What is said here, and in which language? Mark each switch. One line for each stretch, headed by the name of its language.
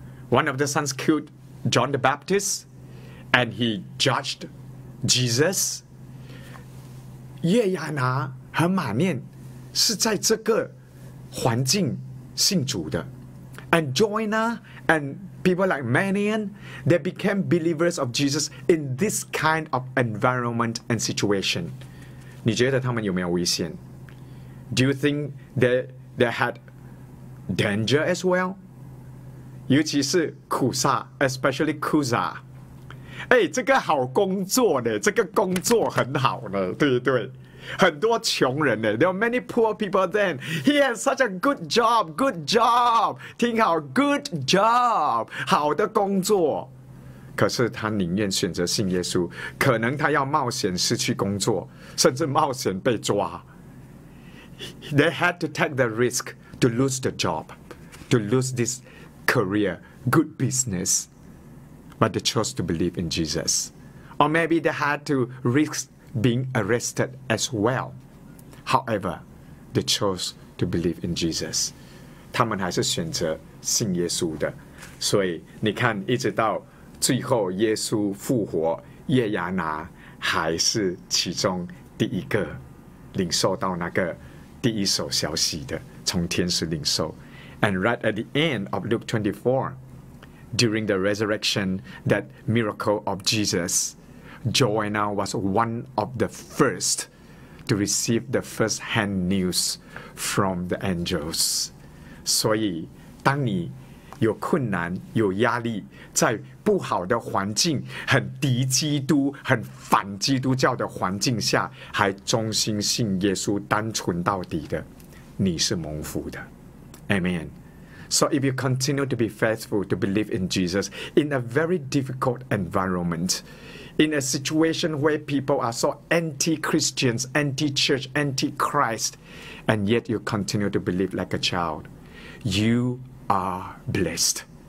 English: One of the sons killed John the Baptist. And he judged Jesus.
Chinese: 叶亚拿和马念是在这个环境信主的。
English: And Joanna and people like Manian, they became believers of Jesus in this kind of environment and situation.
Chinese: 你觉得他们有没有危险?
English: Do you think they had danger as well?
Chinese: 尤其是苦萨,
English: especially Cusa.
Chinese: 哎，这个好工作呢，这个工作很好呢，对不对？很多穷人呢
English: ，there are many poor people then. He has such a good job, good job.
Chinese: 听好 ，
English: good job，
Chinese: 好的工作。可是他宁愿选择信耶稣，可能他要冒险失去工作，甚至冒险被抓。
English: They had to take the risk to lose the job, to lose this career, good business. But they chose to believe in Jesus. Or maybe they had to risk being arrested as well. However, they chose to believe in Jesus.
Chinese: 他们还是选择信耶稣的。所以你看一直到最后耶稣复活，叶亚拿还是其中第一个领受到那个第一手消息的，从天使领受。
English: And right at the end of Luke 24,During the resurrection, that miracle of Jesus, Joanna was one of the first to receive the first-hand news from the angels.
Chinese: 所以，当你有困难、有压力，在不好的环境、很敌基督、很反基督教的环境下，还忠心信耶稣、单纯到底的，你是蒙福的。
English: Amen. So if you continue to be faithful, to believe in Jesus, in a very difficult environment, in a situation where people are so anti-Christians, anti-church, anti-Christ, and yet you continue to believe like a child, you are blessed.